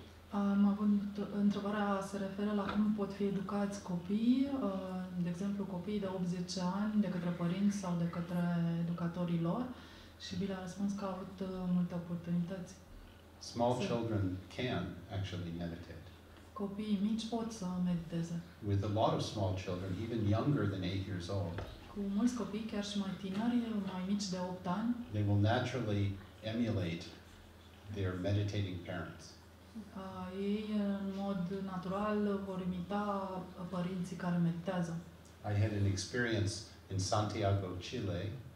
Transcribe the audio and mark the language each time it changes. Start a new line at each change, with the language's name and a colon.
Romanian: Am avut întrebarea se referă la cum pot fi educați copii, de exemplu copiii de 80 ani, de către părinți sau de către educatorii lor, și Bill a răspuns că a avut multe oportunități.
English: Small children can actually meditate.
Romanian: Copiii mici pot să mediteze.
English: With a lot of small children, even younger than 8 years old.
Romanian: Cu mulți copii, chiar și mai tineri, mai mici de 8 ani.
English: They will naturally emulate their meditating parents.
Romanian: Ei în mod natural vor imita părinții care meditează.
English: I had an experience in Santiago, Chile.